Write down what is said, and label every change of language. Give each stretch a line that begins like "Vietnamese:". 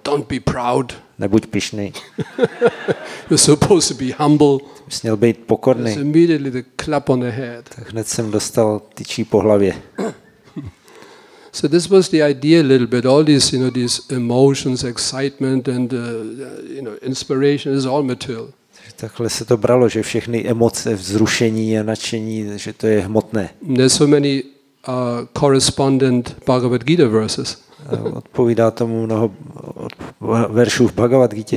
English: Don't be proud.
Czech: Nebuď pyšný.
English: You're supposed to be humble.
Czech: Bys měl být pokorný.
English: So immediately the clap on the head.
Czech: Tak hned jsem dostal tyčí po hlavě.
English: So this was the idea a little bit. All these, you know, these emotions, excitement and you know, inspiration is all material.
Czech: Takhle se to bralo, že všechny emoce, vzrušení a nadšení, že to je hmotné.
English: There's so many correspondent Bhagavad Gita verses.
Czech: Odpovídá tomu mnoho veršů v Bhagavad Gita.